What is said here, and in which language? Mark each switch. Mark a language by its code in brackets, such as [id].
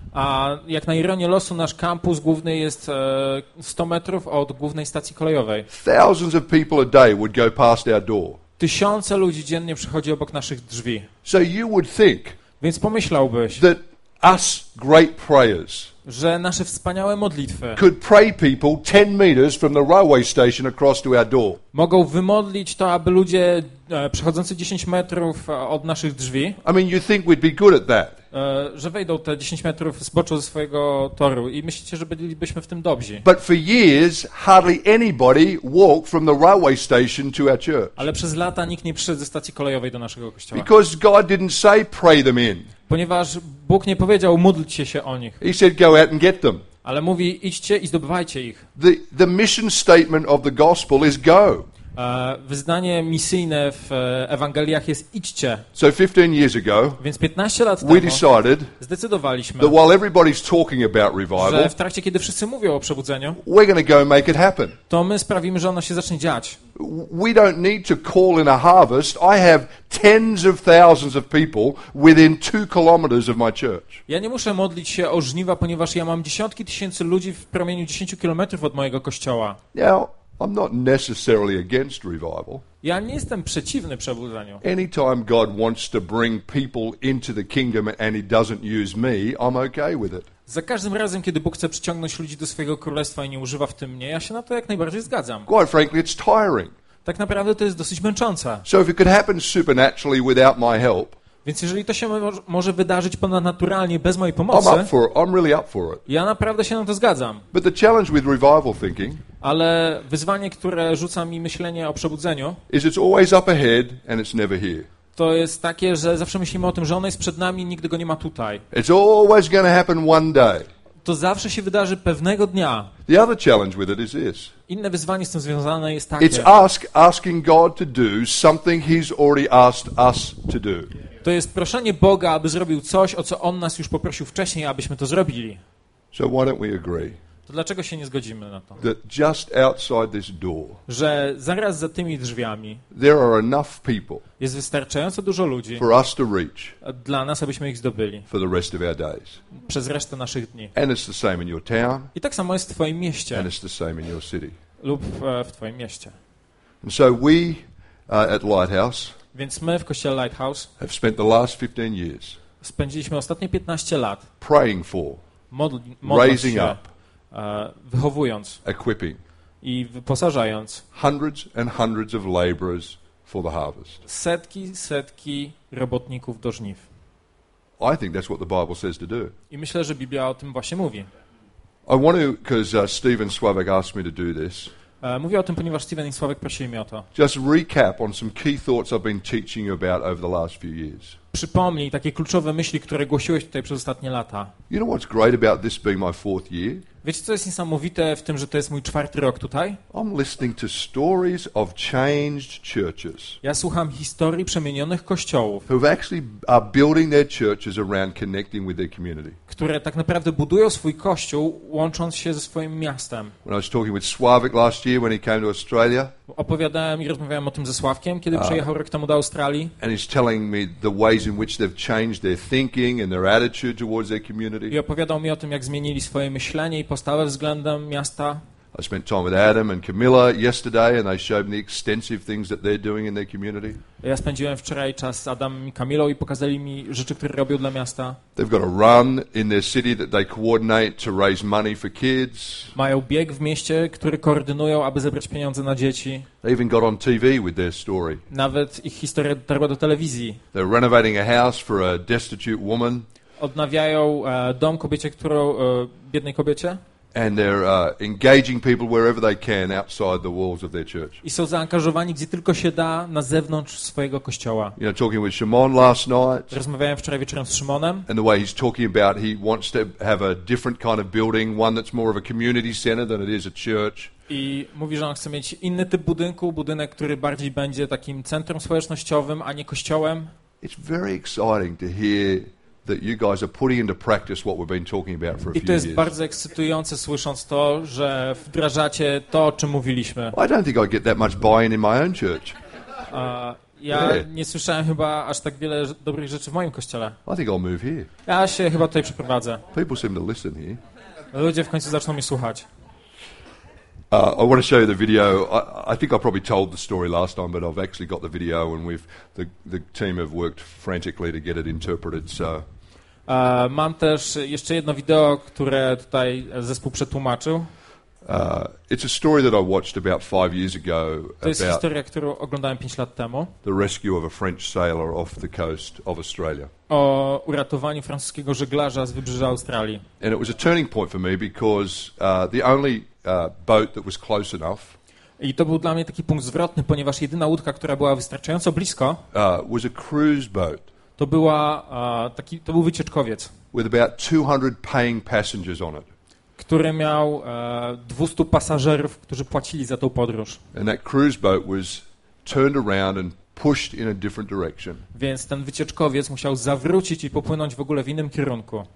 [pl] A jak na ironię losu, nasz kampus główny jest 100 metrów od głównej stacji kolejowej. [en] Thousands of people a day would go past our door. [pl] Tysiące ludzi dziennie przychodzi obok naszych drzwi. [en] So you would think. [pl] Więc pomyślałbyś, [en] that us great prayers, [pl] że nasze wspaniałe modlitwy, [en] could pray people 10 meters from the railway station across to our door. [pl] Mogą wymodlić to, aby ludzie przechodzący 10 metrów od naszych drzwi. [en] I mean, you think we'd be good at that. [pl] Że wejdą te 10 metrów z boczu ze swojego toru i myślicie, że bylibyśmy w tym dobrzy. [en] But for years hardly anybody walked from the railway station to our church. [pl] Ale przez lata nikt nie przyszedł ze stacji kolejowej do naszego kościoła. [en] Because God didn't say pray them in. [pl] Ponieważ Bóg nie powiedział módlcie się o nich. [en] He said go out and get them. [pl] Ale mówi idźcie i zdobywajcie ich. [en] The mission statement of the gospel is go. [pl] Wyznanie misyjne w Ewangeliach jest idźcie. [en] So 15 years ago, [pl] więc 15 lat temu [en] we decided, [pl] zdecydowaliśmy, [en] that while everybody's talking about revival, [pl] że w trakcie, kiedy wszyscy mówią o przebudzeniu, [en] we're gonna go make it happen. [pl] To my sprawimy, że ono się zacznie dziać. [en] We don't need to call in a harvest. I have tens of thousands of people within 2 kilometers of my church. [pl] Ja nie muszę modlić się o żniwa, ponieważ ja mam dziesiątki tysięcy ludzi w promieniu 10 kilometrów od mojego kościoła. [en] Now, I'm not necessarily against revival. [pl] Ja nie jestem przeciwny przebudzeniu. [en] Anytime God wants to bring people into the kingdom and he doesn't use me, I'm okay with it. [pl] Za każdym razem, kiedy Bóg chce przyciągnąć ludzi do swojego królestwa i nie używa w tym mnie, ja się na to jak najbardziej zgadzam. [en] Quite frankly, it's tiring. [pl] Tak naprawdę to jest dosyć męczące. [en] So if it could happen supernaturally without my help. [pl] Więc jeżeli to się może wydarzyć ponadnaturalnie, bez mojej pomocy, ja naprawdę się na to zgadzam. [en] But the challenge with revival thinking, [pl] ale wyzwanie, które rzuca mi myślenie o przebudzeniu, [en] is it's always up ahead and it's never here. [pl] To jest takie, że zawsze myślimy o tym, że ono jest przed nami i nigdy go nie ma tutaj. [en] It's always gonna happen one day. [pl] to zawsze się wydarzy pewnego dnia. [en] The other challenge with it is this. [pl] Inne wyzwanie z tym związane jest takie. [en] It's asking God to do something He's already asked us to do. [pl] To jest proszenie Boga, aby zrobił coś, o co On nas już poprosił wcześniej, abyśmy to zrobili. [en] So why don't we agree? [pl] To dlaczego się nie zgodzimy na to? [en] That just outside this door, [pl] że zaraz za tymi drzwiami [en] there are enough people [pl] jest wystarczająco dużo ludzi [en] for us to reach [pl] dla nas, abyśmy ich zdobyli [en] for the rest of our days. [pl] Przez resztę naszych dni. [en] And it's the same in your town, [pl] i tak samo jest w twoim mieście [en] and it's the same in your city. [pl] Lub w twoim mieście. [en] And so we, at Lighthouse, [pl] więc my w kościele Lighthouse [en] have spent the last 15 years [pl] spędziliśmy ostatnie 15 lat [en] praying for, raising [pl] się, up, wychowując, [en] equipping, [pl] i wyposażając [en] hundreds and hundreds of laborers for the harvest. [pl] Setki robotników do żniw. [en] I think that's what the Bible says to do. [pl] I myślę, że Biblia o tym właśnie mówi. [en] I want to, because Stephen Sławek asked me to do this. [pl] Mówię o tym, ponieważ Stephen i Sławek prosili mnie o to. [en] Just recap on some key thoughts I've been teaching you about over the last few years. [pl] Przypomnij takie kluczowe myśli, które głosiłeś tutaj przez ostatnie lata. [en] You know what's great about this being my fourth year? [pl] Wiecie, co jest niesamowite w tym, że to jest mój czwarty rok tutaj? [en] I'm listening to stories of changed churches. [pl] Ja słucham historii przemienionych kościołów, [en] who actually are building their churches around connecting with their community. [pl] Które tak naprawdę budują swój kościół, łącząc się ze swoim miastem. [en] When I was talking with Sławek last year when he came to Australia. [pl] Opowiadałem i rozmawiałem o tym ze Sławkiem, kiedy przyjechał rok temu do Australii. [en] And he's telling me the ways in which they've changed their thinking and their attitude towards their community. [pl] I opowiadał mi o tym, jak zmienili swoje myślenie i postawę względem miasta. [en] I spent time with Adam and Camilla yesterday and they showed me the extensive things that they're doing in their community. [pl] Ja spędziłem wczoraj czas z Adamem i Kamilą i pokazali mi rzeczy, które robią dla miasta. [en] They've got a run in their city that they coordinate to raise money for kids. [pl] Mają bieg w mieście, który koordynują, aby zebrać pieniądze na dzieci. [en] They even got on TV with their story. [pl] Nawet ich historia dotarła do telewizji. [en] They're renovating a house for a destitute woman. [pl] Odnawiają dom kobiecie, którą biednej kobiecie. [en] And they're engaging people wherever they can outside the walls of their church. [pl] I są zaangażowani gdzie tylko się da na zewnątrz swojego kościoła. [en] You know, talking with Shimon last night. [pl] Rozmawiałem wczoraj wieczorem z Szymonem. [en] And the way he's talking about, he wants to have a different kind of building, one that's more of a community center than it is a church. [pl] I mówi, że on chce mieć inny typ budynku, budynek, który bardziej będzie takim centrum społecznościowym, a nie kościołem. [en] It's very exciting to hear that you guys are putting into practice what we've been talking about for a few years. [pl] I to jest bardzo ekscytujące, słysząc to, że wdrażacie to, o czym mówiliśmy. [en] I don't think I get that much buy-in in my own church. [pl] Nie słyszałem chyba aż tak wiele dobrych rzeczy w moim kościele. [en] I think I'll move here. [pl] Ja się chyba tutaj przeprowadzę. [en] People seem to listen here. [pl] Ludzie w końcu zaczną mnie słuchać. [en] I want to show you the video. I think I probably told the story last time, but I've actually got the video, and the team have worked frantically to get it interpreted. So. [pl] Mam też jeszcze jedno wideo, które tutaj zespół przetłumaczył. [en] It's a story that I watched about 5 years ago. [pl] To jest historia, którą oglądałem 5 lat temu. [en] The rescue of a French sailor off the coast of Australia. [pl] O uratowaniu francuskiego żeglarza z wybrzeża Australii. [en] And it was a turning point for me because the only boat that was close enough. [pl] I to był dla mnie taki punkt zwrotny, ponieważ jedyna łódka, która była wystarczająco blisko, [en] was a cruise boat. [pl] To była taki, to był wycieczkowiec. [en] With about 200 paying passengers on it. [pl] Który miał 200 pasażerów, którzy płacili za tą podróż. [en] And that cruise boat was turned around and pushed in a different direction. [pl] Więc ten wycieczkowiec musiał zawrócić i popłynąć w ogóle w innym kierunku.